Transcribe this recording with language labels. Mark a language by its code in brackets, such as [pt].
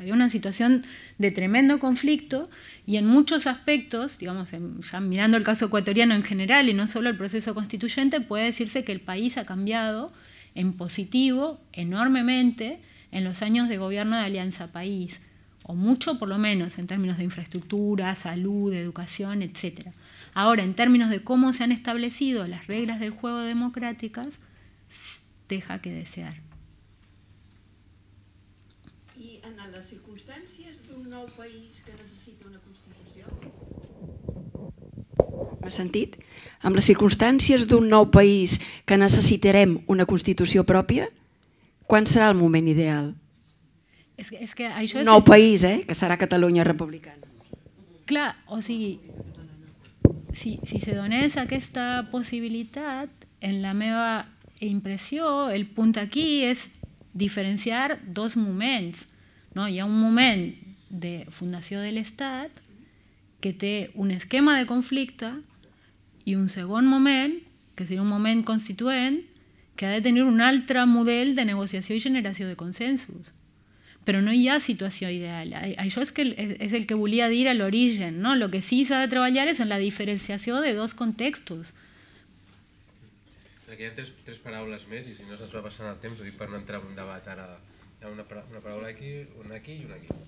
[es] Había una situación de tremendo conflicto y en muchos aspectos, digamos, ya mirando el caso ecuatoriano en general y no solo el proceso constituyente, puede decirse que el país ha cambiado en positivo enormemente en los años de gobierno de Alianza País, o mucho por lo menos en términos de infraestructura, salud, educación, etcétera. Ahora, en términos de cómo se han establecido las reglas del juego democráticas, deja que desear. [ca] I en les circumstàncies d'un nou país que necessita una Constitució? M'has sentit? Amb les circumstàncies d'un nou país que necessitarem una Constitució pròpia, quan serà el moment ideal? És que això és... Un nou país, que serà Catalunya republicana. Clar, o sigui, si se donés aquesta possibilitat, en la meva impressió, el punt aquí és diferenciar dos moments. No, hi ha un moment de fundació de l'Estat que té un esquema de conflicte i un segon moment, que seria un moment constituent, que ha de tenir un altre model de negociació i generació de consensos. Però no hi ha situació ideal. Això és el que volia dir a l'origen. No? El que sí s'ha de treballar és en la diferenciació de dos contextos. Aquí hi ha tres paraules més i si no se'ns va passant el temps, ho dic per no entrar en un debat ara. Hi ha una paraula aquí, una aquí i una aquí.